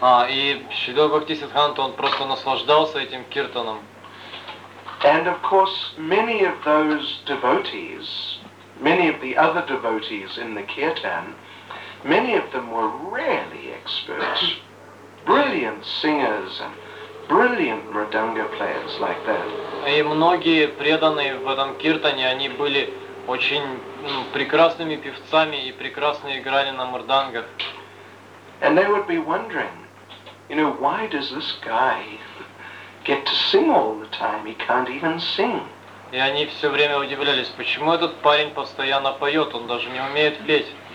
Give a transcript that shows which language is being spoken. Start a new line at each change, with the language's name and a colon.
Russian: И Śrīla Bhaktisiddhanta, он просто наслаждался этим киртаном.
English: And of course, many of those devotees, many of the other devotees in the kirtan, many of them were really expert, brilliant singers and brilliant mridanga players like that.
Russian: И многие преданные в этом киртане, они были очень прекрасными певцами и прекрасно играли на мрдангах.
English: And they would be wondering, you know, why does this guy get to sing all the time? He can't even sing.
Russian: И они все время удивлялись, почему этот парень постоянно поет, он даже не умеет петь.